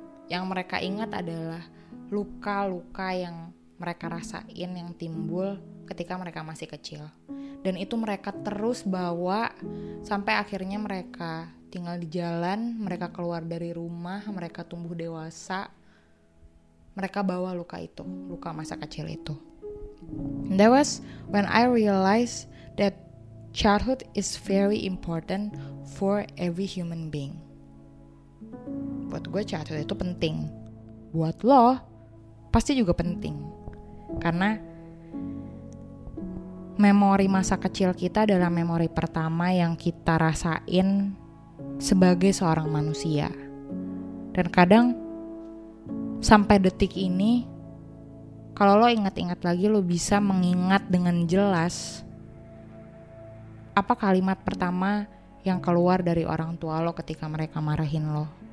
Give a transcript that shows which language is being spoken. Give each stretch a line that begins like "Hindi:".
Indonesian: Yang mereka ingat adalah luka-luka yang mereka rasain, yang timbul ketika mereka masih kecil. Dan itu mereka terus bawa sampai akhirnya mereka tinggal di jalan, mereka keluar dari rumah, mereka tumbuh dewasa. Mereka bawa luka itu, luka masa kecil itu.
English: And that was when I realized that childhood is very important for every human being.
Indonesian: Buat gue childhood itu penting. Buat lo pasti juga penting, karena memori masa kecil kita adalah memori pertama yang kita rasain sebagai seorang manusia. Dan kadang sampai detik ini, kalau lo ingat-ingat lagi, lo bisa mengingat dengan jelas apa kalimat pertama yang keluar dari orang tua lo ketika mereka marahin lo.